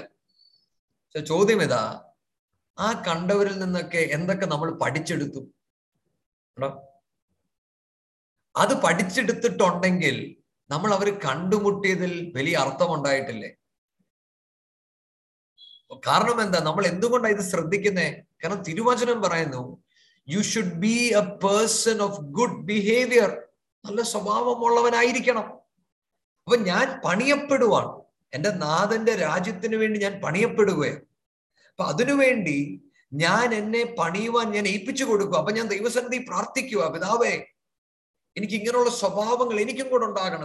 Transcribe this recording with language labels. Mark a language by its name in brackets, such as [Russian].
[Malayalam] പക്ഷെ ചോദ്യം ഇതാ, ആ കണ്ടവരിൽ നിന്നൊക്കെ എന്തൊക്കെ നമ്മൾ പഠിച്ചെടുത്തു? അത് പഠിച്ചെടുത്തിട്ടുണ്ടെങ്കിൽ നമ്മൾ അവർ കണ്ടുമുട്ടിയതിൽ വലിയ അർത്ഥം ഉണ്ടായിട്ടില്ലേ? കാരണം എന്താ, നമ്മൾ എന്തുകൊണ്ടാണ് ഇത് ശ്രദ്ധിക്കുന്നത്? കാരണം തിരുവചനം പറയുന്നു, [English] you should be a person of good behavior. [Malayalam] നല്ല സ്വഭാവമുള്ളവനായിരിക്കണം. അപ്പൊ ഞാൻ പണിയപ്പെടുവാണ്, എന്റെ നാഥന്റെ രാജ്യത്തിന് വേണ്ടി ഞാൻ പണിയപ്പെടുകയാണ്. അപ്പൊ അതിനുവേണ്ടി ഞാൻ എന്നെ പണിയുവാൻ ഞാൻ ഏൽപ്പിച്ചു കൊടുക്കുക. അപ്പൊ ഞാൻ ദൈവസന്നിധി പ്രാർത്ഥിക്കുക, പിതാവേ എനിക്ക് ഇങ്ങനെയുള്ള സ്വഭാവങ്ങൾ എനിക്കും കൂടെ ഉണ്ടാകണം.